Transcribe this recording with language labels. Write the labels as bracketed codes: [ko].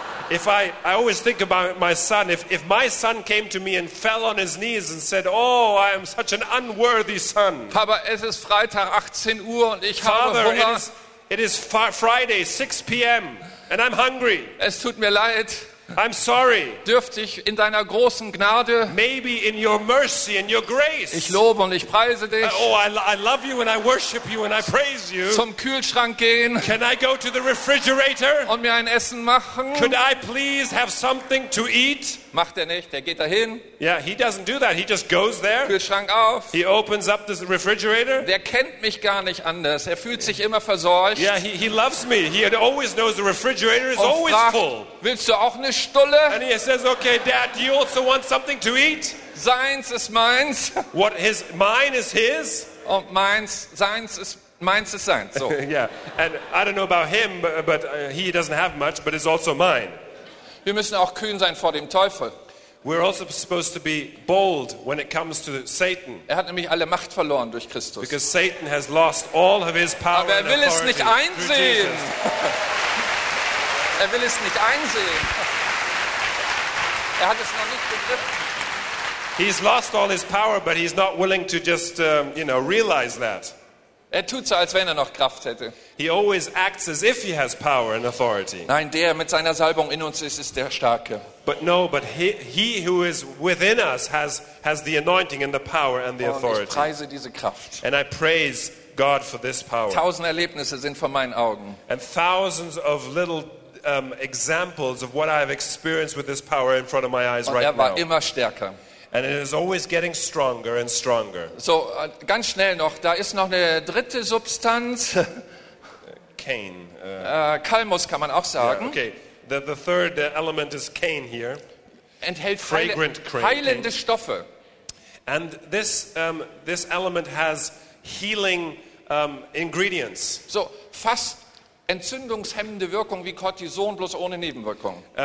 [en] If I always think about my son, if my son came to me and fell on his knees and said, oh, I am such an unworthy son. [de] Papa, es ist Freitag, 18 Uhr und ich habe Hunger. [en] Father, it is Friday, 6 p.m. and I'm hungry. [de] Es tut mir leid. [en] I'm sorry. [de] Dürfte ich in deiner großen Gnade. [en] Maybe in your mercy and your grace. [de] Ich lobe und ich preise dich. [en] I love you and I worship you and I praise you. [de] Zum Kühlschrank gehen. [en] Can I go to the refrigerator? [de] Und mir ein Essen machen. [en] Could I please have something to eat? [de] Macht er nicht, er geht dahin. [en] Yeah, he doesn't do that. He just goes there. [de] Kühlschrank auf. [en] He opens up the refrigerator. [de] Der kennt mich gar nicht anders. Er fühlt sich immer versorgt. [en] Yeah, he loves me. He always knows the refrigerator is always full. [de] Willst du auch eine Stulle? [en] And he says, okay, Dad, do you also want something to eat? [de] Seins ist meins. [en] What his mine is his. [de] Und meins ist seins. So. [en] Yeah, and I don't know about him, but he doesn't have much, but it's also mine. [de] Wir müssen auch kühn sein vor dem Teufel. [en] We're also supposed to be bold when it comes to Satan. [de] Er hat nämlich alle Macht verloren durch Christus. [en] Because Satan has lost all of his power. [de] Aber er will es nicht einsehen. Er will es nicht einsehen. Er hat es noch nicht begriffen. [en] He's lost all his power, but he's not willing to just, you know, realize that. [de] Er tut so, als wenn er noch Kraft hätte. [en] He always acts as if he has power and authority. [de] Nein, der mit seiner Salbung in uns ist, ist der Starke. [en] But no, but he who is within us has the anointing and the power and the authority. [de] Ich preise diese Kraft. [en] And I praise God for this power. [de] Tausend Erlebnisse sind vor meinen Augen. [en] And thousands of little examples of what I have experienced with this power in front of my eyes [de] und [en] right [de] er war [en] now. [de] Immer stärker. [en] And it is always getting stronger and stronger. [de] So, ganz schnell noch, da ist noch eine dritte Substanz. [en] Cain. [de] Kalmus kann man auch sagen. [en] Yeah, okay, the third element is cane here. [de] Enthält fragrant heilende cane. Stoffe. [en] And this this element has healing ingredients. [de] So, fast entzündungshemmende Wirkung wie Cortison, bloß ohne Nebenwirkung.